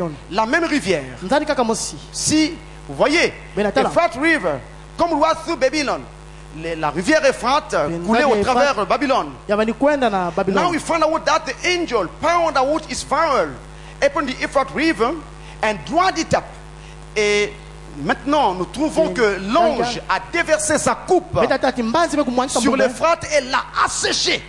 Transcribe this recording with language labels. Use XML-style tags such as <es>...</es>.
<fr>La même rivière. Si vous voyez, l'Euphrate River comme roi sur Babylone. La rivière Euphrate coulait au travers de Babylone.</fr> <en>Now we find out that the angel pounded out his funnel upon the Euphrate River and dried it up.</en> <fr>Et maintenant, nous trouvons que l'ange a déversé sa coupe sur l'Euphrate et l'a asséché.</fr>